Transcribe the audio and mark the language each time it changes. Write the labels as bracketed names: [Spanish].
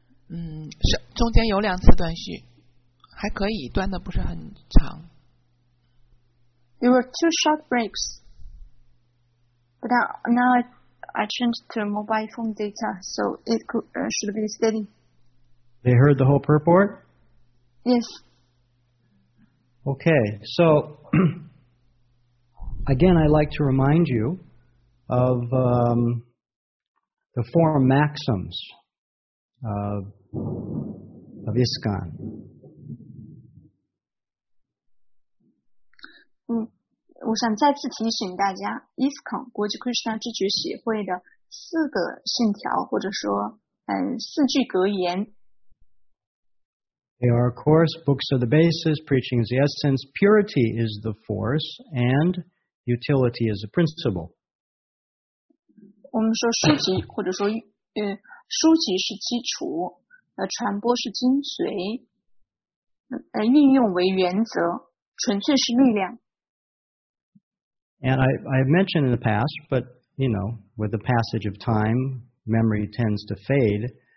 [Chinese] 中间有两次断续，还可以，断的不是很长。 [English] There were two short breaks. But now I changed to mobile phone data, so it should be steady. They heard the whole purport? Yes. Okay, so again, I'd like to remind you of the four maxims of ISKCON. [Chinese] 我想再次提醒大家 ISKCON 国际 Krishna 智觉协会的四个信条或者说四句格言。 [English] They are, of course, books of the basis, preaching is the essence, purity is the force, and utility is the principle. [Chinese] 我们说书籍或者说书籍是基础传播是精髓运用为原则纯粹是力量。 [English] And I have mentioned in the past, but, you know, with the passage of time, memory tends to fade.